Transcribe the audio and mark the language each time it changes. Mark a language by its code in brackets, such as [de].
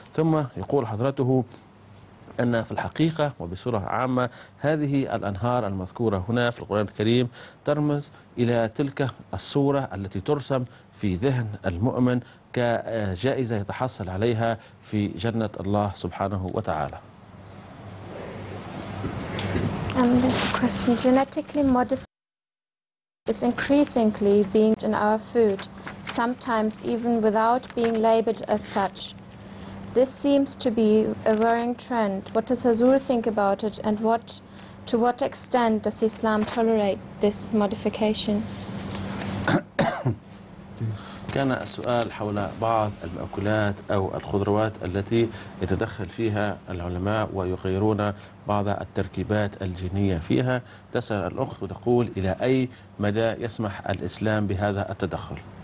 [ar] ثم يقول حضرته أن في الحقيقة وبصورة عامة هذه الأنهار المذكورة هنا في القرآن الكريم ترمز إلى تلك الصورة التي ترسم في ذهن المؤمن كجائزة يتحصل عليها في جنة الله سبحانه وتعالى. [en] This question: genetically modified is increasingly being in our food, sometimes even without being labeled as such. This seems to be a worrying trend. What does Azur think about it, and to what extent does Islam tolerate this modification? ك [ar] كان السؤال حول بعض المأكولات أو الخضروات التي يتدخل فيها العلماء ويغيرون بعض التركيبات الجينية فيها. تسأل الأخت وتقول إلى أي مدى يسمح الإسلام بهذا التدخل؟